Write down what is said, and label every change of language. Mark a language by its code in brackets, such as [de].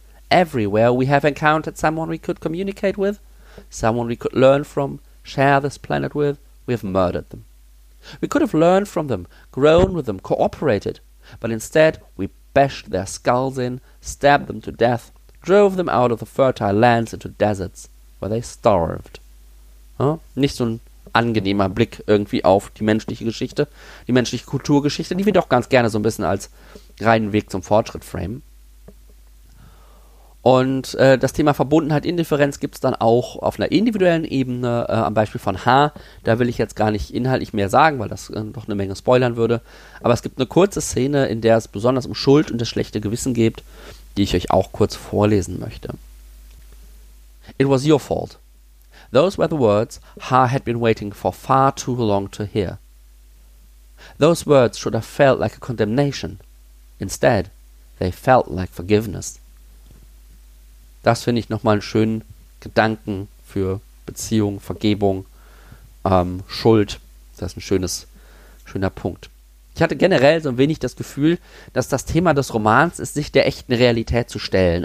[en] Everywhere we have encountered someone we could communicate with, someone we could learn from, share this planet with, we have murdered them. We could have learned from them, grown with them, cooperated, but instead we bashed their skulls in, stabbed them to death, drove them out of the fertile lands into deserts, where they starved. [de] Ja? Nicht so ein angenehmer Blick irgendwie auf die menschliche Geschichte, die menschliche Kulturgeschichte, die wir doch ganz gerne so ein bisschen als reinen Weg zum Fortschritt framen. Und das Thema Verbundenheit, Indifferenz gibt es dann auch auf einer individuellen Ebene, am Beispiel von H. Da will ich jetzt gar nicht inhaltlich mehr sagen, weil das doch eine Menge spoilern würde. Aber es gibt eine kurze Szene, in der es besonders um Schuld und das schlechte Gewissen geht, die ich euch auch kurz vorlesen möchte. [en] It was your fault. Those were the words H. had been waiting for far too long to hear. Those words should have felt like a condemnation. Instead, they felt like forgiveness. [de] Das finde ich nochmal einen schönen Gedanken für Beziehung, Vergebung, Schuld. Das ist ein schöner Punkt. Ich hatte generell so ein wenig das Gefühl, dass das Thema des Romans ist, sich der echten Realität zu stellen.